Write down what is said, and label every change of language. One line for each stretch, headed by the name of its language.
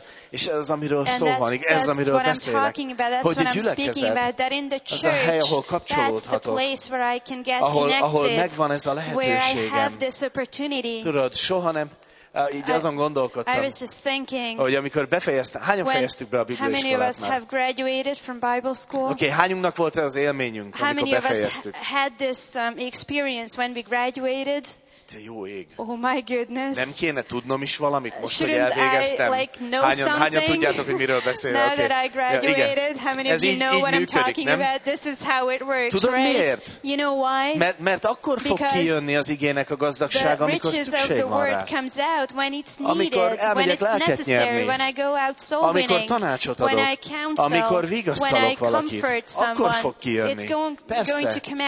Hungarian: És ez, amiről szó van, ez, amiről beszélek, hogy a gyülekezet az a hely, ahol kapcsolódhatok, ahol megvan ez a lehetőségem. Tudod, soha nem így azon gondolkodtam, hogy amikor befejeztem, hányan fejeztük be a bibliaiskolát már? Okay, hányunknak volt ez az élményünk, amikor befejeztük?
English: How many of us had this experience when we graduated?
Hungarian: te jó ég.
English: Oh my goodness.
Hungarian: Nem kéne tudnom is valamit most, hogy elvégeztem. Hányan tudjátok, hogy miről beszélek?
English: Now that I graduated, how many of you know what I'm talking about? This is how it works,
Hungarian: right? Tudod miért?
English: You know why?
Hungarian: Mert akkor fog kijönni az igének a gazdagság, amikor szükség van rá.
English: Comes out when it's needed,
Hungarian: amikor elmegyek lelket nyerni,
English: when I go out soul winning,
Hungarian: amikor tanácsot adok,
English: when I counsel,
Hungarian: amikor vigasztalok valakit,
English: someone,
Hungarian: akkor fog kijönni. Persze.